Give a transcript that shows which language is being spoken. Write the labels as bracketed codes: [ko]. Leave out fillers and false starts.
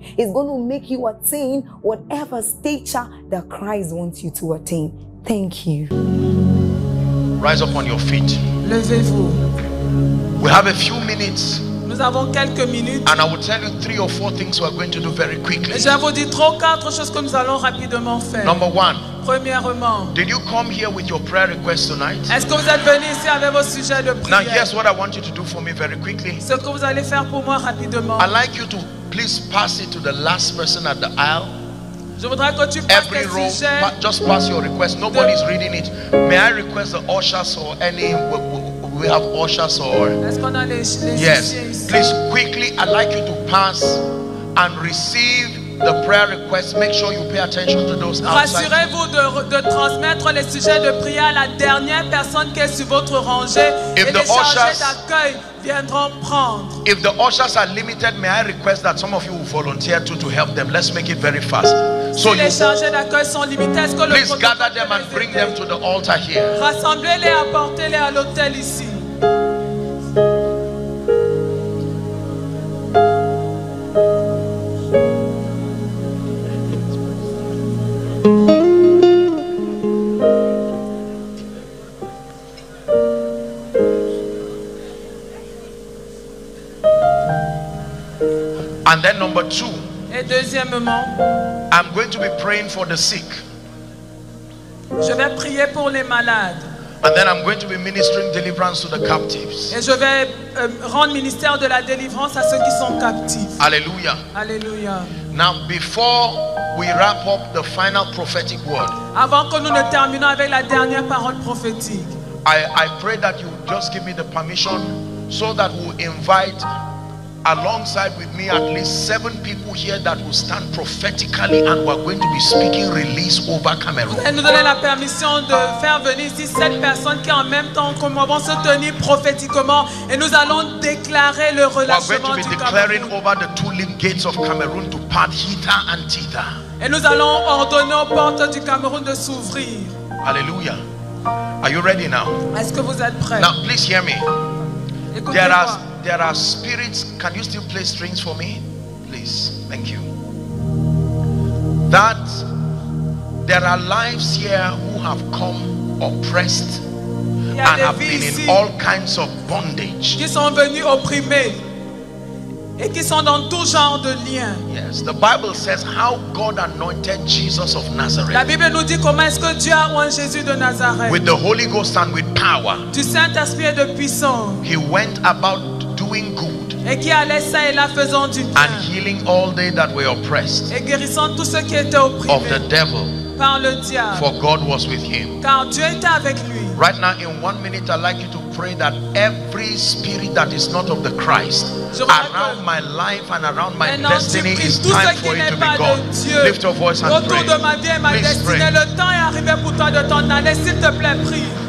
[en] It's going to make you attain whatever stature that Christ wants you to attain. Thank you. Rise up on your feet. [fr] Levez-vous. [en] We have a few minutes. [fr] Nous avons quelques minutes. [en] And I will tell you three or four things we are going to do very quickly. [fr] Je vais vous dire trois ou quatre choses que nous allons rapidement faire. [en] Number one. [fr] Premièrement. [en] Did you come here with your prayer request tonight? [fr] Est-ce que vous êtes venu ici avec vos sujets de prière? [en] Now here's what I want you to do for me very quickly. [fr] Ce que vous allez faire pour moi rapidement. [en] I'd like you to please pass it to the last person at the aisle. [fr] Je voudrais que tu passes [en] every row, [fr] sujets [en] just pass your request. Nobody's de... reading it. May I request the ushers or any? We have ushers or yes, please quickly. I'd like you to pass and receive the prayer request. Make sure you pay attention to those outside. [fr] Rassurez-vous de transmettre les sujets de prière à la dernière personne qui est sur votre rangée. [en] If [fr] et les chargés d'accueil viendront prendre. [en] If the ushers are limited, may I request that some of you will volunteer to help them. Let's make it very fast. [fr] So si les chargés d'accueil sont limités, est-ce que [en] please gather them and bring them to the altar here. [fr] Rassemblez-les, apportez-les à l'autel ici. [en] And then number two, [fr] et deuxièmement, [en] I'm going to be praying for the sick. [fr] Je vais prier pour les malades. [en] And then I'm going to be ministering deliverance to the captives. [fr] Et je vais rendre ministère de la délivrance à ceux qui sont captifs. Alléluia. Alléluia. [en] Now before we wrap up the final prophetic word, [fr] avant que nous ne terminons avec la dernière parole prophétique, [en] I pray that you just give me the permission so that we'll invite alongside with me at least seven people here that will stand prophetically, and we're going to be speaking release over Cameroon. [fr] Et nous donner la permission de faire venir ici sept personnes qui en même temps comme vont se tenir prophétiquement, et nous allons déclarer le relâchement du Cameroun. [en] Declaring over the two limb gates of Cameroon to part hither and thither. [fr] Et nous allons ordonner aux portes du Cameroun de s'ouvrir. [en] Alléluia. Are you ready now? [fr] Est-ce que vous êtes prêts? [en] Now please hear me. [fr] Écoutez-moi. [en] There are spirits. Can you still play strings for me? Please. Thank you. That there are lives here who have come oppressed and have been in all kinds of bondage. [fr] Qui sont venus opprimés et qui sont dans tout genre de liens. [en] Yes, the Bible says how God anointed Jesus of Nazareth. [fr] La Bible nous dit comment est-ce que Dieu a oint Jésus de Nazareth. [en] With the Holy Ghost and with power. [fr] Du Saint-Esprit et de puissance. [en] He went about doing good [fr] et qui allait ça et là faisant du bien, [en] and healing all they that were oppressed [fr] et guérissant tous ceux qui étaient opprimés [en] of the devil, [fr] par le diable, [en] for God was with him, [fr] car Dieu était avec lui. [en] Right now in 1 minute, I'd like you to pray that every spirit that is not of the Christ around my life and around my destiny, is time for it to be gone. Lift your voice and [fr] autour [en] pray [fr] de ma vie et ma [en] please [fr] destinée. [en] Pray. [fr] Le temps est arrivé pour toi de t'en aller, s'il te plaît, prie.